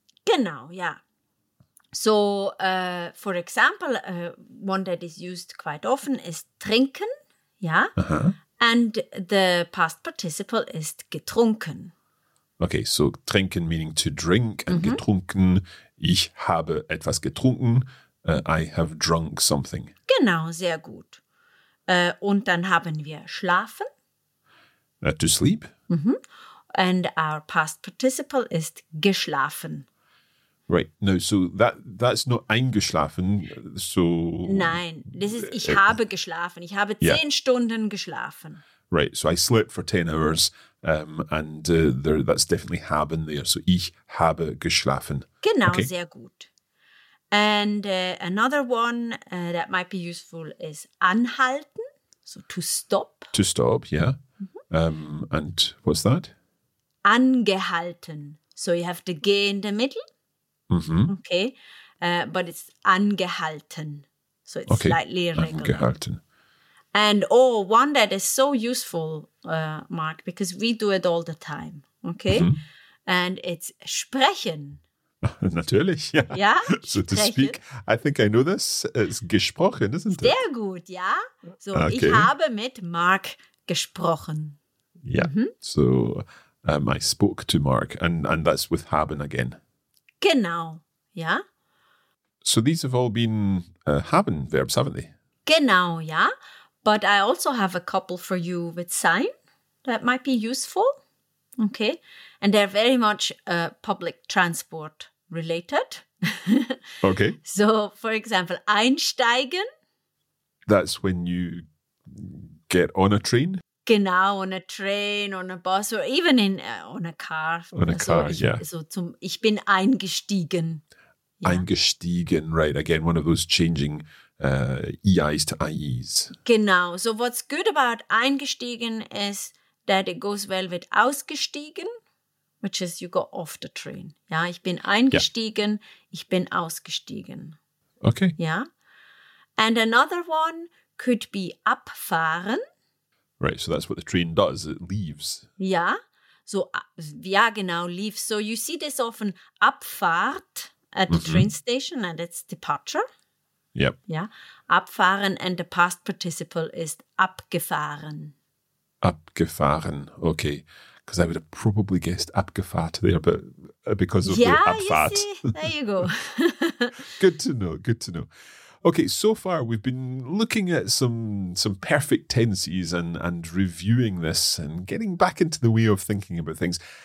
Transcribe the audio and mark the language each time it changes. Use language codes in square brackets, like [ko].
[de] Genau, yeah. [en] So, for example, one that is used quite often is trinken. Yeah. Uh-huh. And the past participle is getrunken. Okay, so trinken meaning to drink and mm-hmm. getrunken. [de] Ich habe etwas getrunken. [en] I have drunk something. [de] Genau, sehr gut. Und dann haben wir schlafen. [en] To sleep. Mm-hmm. And our past participle is geschlafen. Right. No, so that's not eingeschlafen, so... [de] Nein, [en] this is [de] ich habe geschlafen. Ich habe 10 Stunden geschlafen. [en] Right, so I slept for 10 hours there, that's definitely haben there. [de] So ich habe geschlafen. Genau, okay. Sehr gut. [en] And another one that might be useful is anhalten, so to stop. To stop, yeah. Mm-hmm. And what's that? [de] Angehalten. [en] So you have the G in the middle. Mm-hmm. Okay, but it's angehalten, so it's okay. Slightly irregular. [de] Angehalten. [en] And one that is so useful, Mark, because we do it all the time, okay? Mm-hmm. And it's sprechen. [de] Natürlich, ja. Ja? [en] So to speak, I think I know this, it's gesprochen, isn't it? [de] Sehr gut, ja. So okay. Ich habe mit Mark gesprochen. Ja, mm-hmm. [en] So I spoke to Mark, and that's with haben again. [de] Genau, ja. [en] So these have all been haben verbs, haven't they? [de] Genau, ja. [en] But I also have a couple for you with sein that might be useful. Okay. And they're very much public transport related. Okay. So, for example, einsteigen. That's when you get on a train. Genau, on a train, on a bus, or even in on a car. On a car, so, yeah. [de] So zum ich bin eingestiegen. [en] Yeah. Eingestiegen, right. Again, one of those changing EIs to IEs. [de] Genau. [en] So what's good about eingestiegen is that it goes well with ausgestiegen, which is you got off the train. [de] Ja, ich bin eingestiegen, ich bin ausgestiegen. [en] Okay. Yeah. And another one could be abfahren. Right, so that's what the train does, it leaves. [de] Ja, so, ja, genau, [en] leaves. So you see this often, abfahrt at the mm-hmm. train station, and it's departure. Yep. Ja, abfahren, and the past participle is abgefahren. [de] Abgefahren, okay. [en] Because I would have probably guessed abgefahrt there, but because of the abfahrt. Yeah, you see, there you go. good to know. Okay, so far we've been looking at some perfect tenses and reviewing this and getting back into the way of thinking about things.